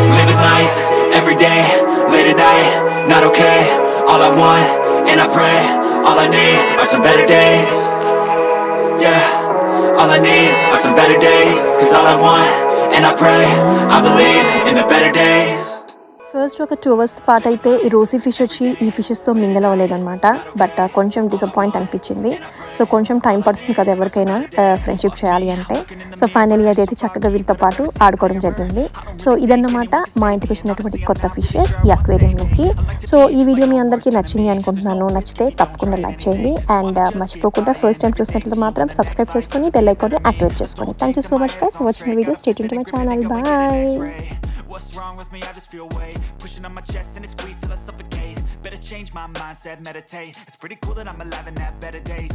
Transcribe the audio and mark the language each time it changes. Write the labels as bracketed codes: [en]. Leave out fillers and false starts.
[en] Living life, every day, late at night, not okay. All I want, and I pray, all I need are some better days. Yeah, all I need are some better days. Cause all I want, and I pray, I believe in the better days. [te] First ఒక 2 hours పాటు అయితే ఈ Rosie fish వచ్చి ఈ ఫిషెస్తో mingle అవ్వలేదన్నమాట. But కొంచెం disappoint అనిపించింది. So కొంచెం time పడుతుంది కదా ఎవరికైనా ఫ్రెండ్షిప్ చేయాలి అంటే. సో ఫైనలీ అదైతే చక్కగా వీళ్ళతో పాటు ఆడుకోవడం జరిగింది. సో ఇదన్నమాట మా ఇంటికి వచ్చినటువంటి కొత్త ఫిషెస్ ఈ అక్వేరియంలోకి. సో ఈ వీడియో మీ అందరికీ నచ్చింది అనుకుంటున్నాను. నచ్చితే తప్పకుండా లైక్ చేయండి అండ్ మర్చిపోకుండా ఫస్ట్ టైం చూసినట్లయితే మాత్రం సబ్స్క్రైబ్ చేసుకొని బెల్ ఐకాన్ని యాక్టివేట్ చేసుకోండి. [en] Thank you so much guys for watching the video. Stay tune to my channel. Bye. What's wrong with me? I just feel weight pushing on my chest and it squeezes till I suffocate. Better change my mindset, meditate. It's pretty cool that I'm alive and have better days.